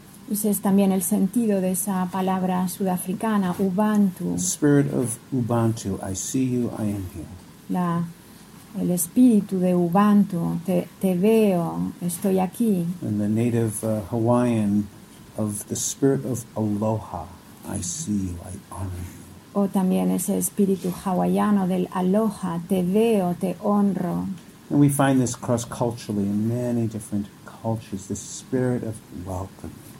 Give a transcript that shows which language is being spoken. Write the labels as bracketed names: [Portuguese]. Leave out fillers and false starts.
[Spanish] Ese es también el sentido de esa palabra sudafricana, Ubuntu. [English] Spirit of Ubuntu, I see you, I am here. [Spanish] El espíritu de Ubuntu, te veo, estoy aquí. [English] And the native Hawaiian of the spirit of Aloha, I see you, I honor you. [Spanish] O también ese espíritu hawaiano del Aloha, te veo, te honro. [English] And we find this cross-culturally in many different cultures, the spirit of welcome.